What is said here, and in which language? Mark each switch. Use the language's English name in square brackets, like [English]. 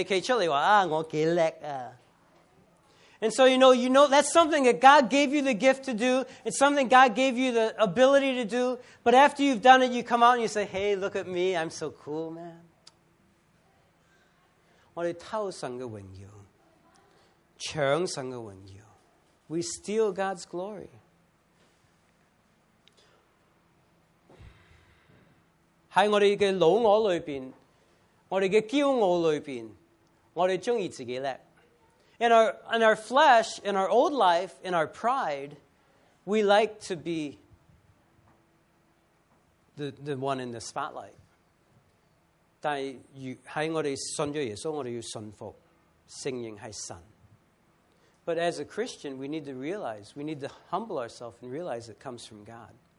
[Chinese] 那样东西明知是神被恩赐你，那样东西明知是神帮到你，那样东西是神一路在你背后协助你，但是跟着你企出来说，我多厉害啊。 [English] And so you know that's something that God gave you the gift to do, it's something God gave you the ability to do, but after you've done it, you come out and you say, hey, look at me, I'm so cool, man. [Chinese] 我们偷神的荣耀，抢神的荣耀。 [English] We steal God's glory. [Chinese] 在我们的老我里面，我们的骄傲里面，我们喜欢自己厉害。 [English] In our flesh, in our old life, in our pride, we like to be the one in the spotlight. [Chinese] 但是在我们信了耶稣，我们要信服，承认是神。 [English] But as a Christian, we need to realize, we need to humble ourselves and realize it comes from God.